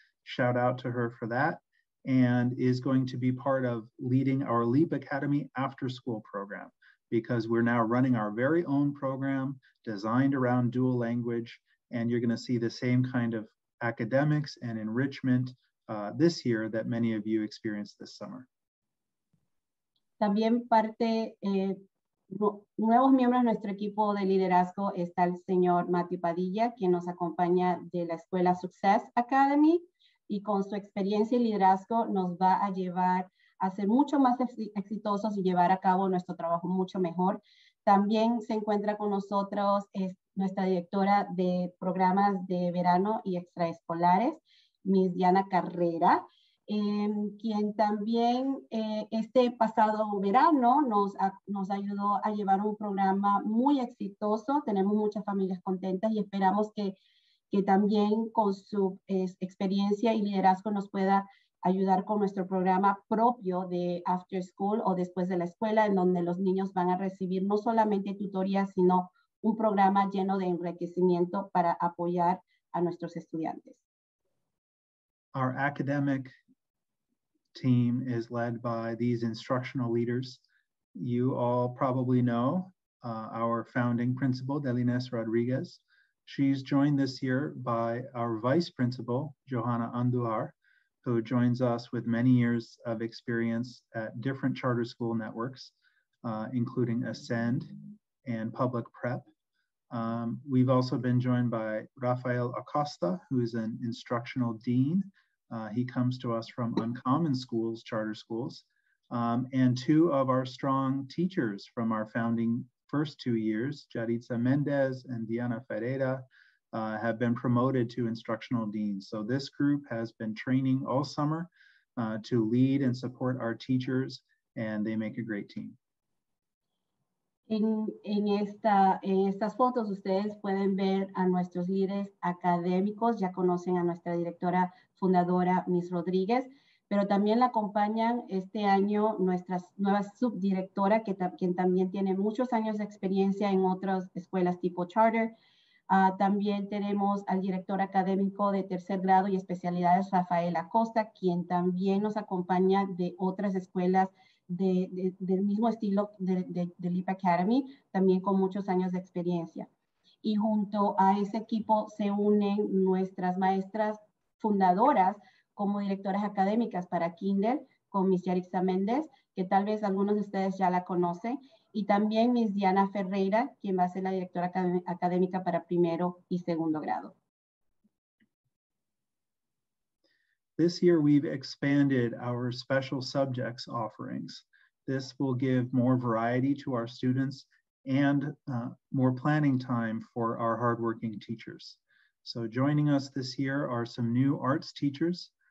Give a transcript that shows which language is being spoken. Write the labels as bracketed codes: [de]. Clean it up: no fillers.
[en] Shout out to her for that. And is going to be part of leading our LEAP Academy after school program, because we're now running our very own program designed around dual language. And you're going to see the same kind of academics and enrichment this year that many of you experienced this summer. [es] También parte nuevos miembros de nuestro equipo de liderazgo está el señor Mati Padilla, quien nos acompaña de la escuela Success Academy, y con su experiencia y liderazgo nos va a llevar a ser mucho más exitosos y llevar a cabo nuestro trabajo mucho mejor. También se encuentra con nosotros nuestra directora de programas de verano y extraescolares, Ms. Diana Carrera, quien también este pasado verano nos ayudó a llevar un programa muy exitoso. Tenemos muchas familias contentas y esperamos que también con su experiencia y liderazgo nos pueda ayudar con nuestro programa propio de after school o después de la escuela, en donde los niños van a recibir no solamente tutorías, sino un programa lleno de enriquecimiento para apoyar a nuestros estudiantes. [en] Our academic team is led by these instructional leaders. You all probably know our founding principal, Delines Rodriguez. She's joined this year by our vice principal, Johanna Andujar, who joins us with many years of experience at different charter school networks, including Ascend and Public Prep. We've also been joined by Rafael Acosta, who is an instructional dean. He comes to us from Uncommon Schools, charter schools, and two of our strong teachers from our founding first 2 years, Jaritza Mendez and Diana Ferreira, have been promoted to instructional deans. So this group has been training all summer to lead and support our teachers, and they make a great team. [es] En estas fotos ustedes pueden ver a nuestros líderes académicos, ya conocen a nuestra directora fundadora, Ms. Rodríguez, pero también la acompañan este año nuestra nueva subdirectora, quien también tiene muchos años de experiencia en otras escuelas tipo charter. También tenemos al director académico de tercer grado y especialidades, Rafael Acosta, quien también nos acompaña de otras escuelas del mismo estilo de LEAP Academy, también con muchos años de experiencia. Y junto a ese equipo se unen nuestras maestras fundadoras como directoras académicas para Kinder, con Ms. Yarixa Méndez, que tal vez algunos de ustedes ya la conocen, y también Ms. Diana Ferreira, quien va a ser la directora académica para primero y segundo grado. [en] This year we've expanded our special subjects offerings. This will give more variety to our students and more planning time for our hardworking teachers. So joining us this year are some new arts teachers.